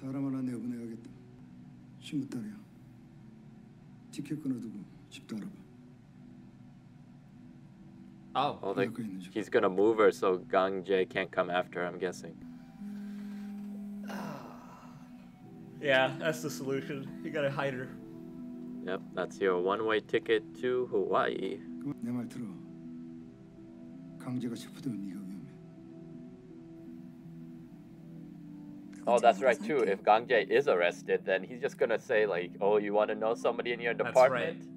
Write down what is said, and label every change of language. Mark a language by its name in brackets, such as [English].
[English] gonna move her so Gang-jae can't come after her, I'm guessing. Yeah, that's the solution. You gotta hide her. Yep, that's your one-way ticket to Hawaii. [Korean] 강제가 체포되면 네가 위험해. [English] Oh, that's right too. If Gang-jae is arrested, then he's just gonna say like, "Oh, you want to know somebody in your department?"